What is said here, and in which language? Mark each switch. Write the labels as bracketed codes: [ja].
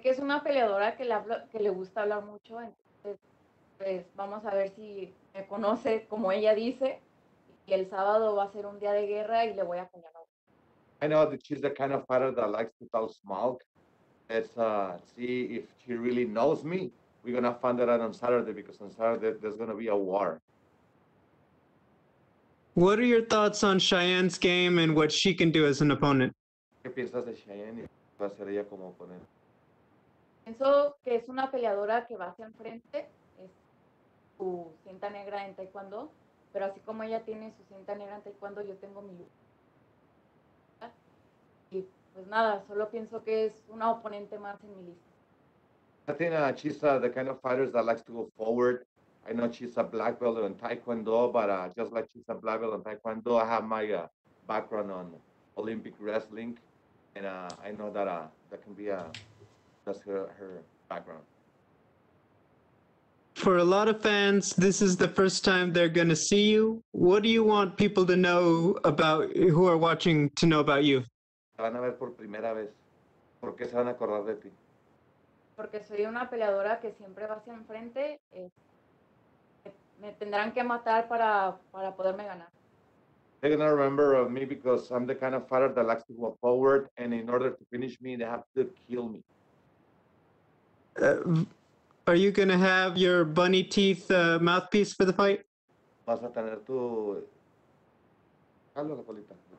[es] que es una peleadora que le gusta hablar mucho, entonces, pues, vamos a ver si... me conoce como ella dice y el sábado va a ser un día de guerra y le voy a poner. [en] I know that she's the kind of fighter that likes to talk smack. Let's see if she really knows me. We're gonna find that out on Saturday because on Saturday there's gonna be a war. What are your thoughts on Cheyenne's game and what she can do as an opponent? [es] ¿Qué piensas de Cheyenne y qué va a hacer ella como oponente? Pienso que es una peleadora que va hacia enfrente. Su cinta negra en taekwondo, pero así como ella tiene su cinta negra en taekwondo, yo tengo mi. Y pues nada, solo pienso que es una oponente más en mi lista. [en] I think she's the kind of fighters that likes to go forward. I know she's a black belt in taekwondo, but just like she's a black belt in taekwondo, I have my background on Olympic wrestling, and I know that that can be that's her background. For a lot of fans, this is the first time they're going to see you. What do you want people to know about who are watching to know about you? [es] Van a ver por primera vez. ¿Por qué se van a acordar de ti? Porque soy una peleadora que siempre va hacia enfrente. Me tendrán que matar para poderme ganar. [en] They're going to remember of me because I'm the kind of fighter that likes to go forward, and in order to finish me, they have to kill me. Are you going to have your bunny teeth mouthpiece for the fight? [es] Vas a tener tu... Carlos, la colita.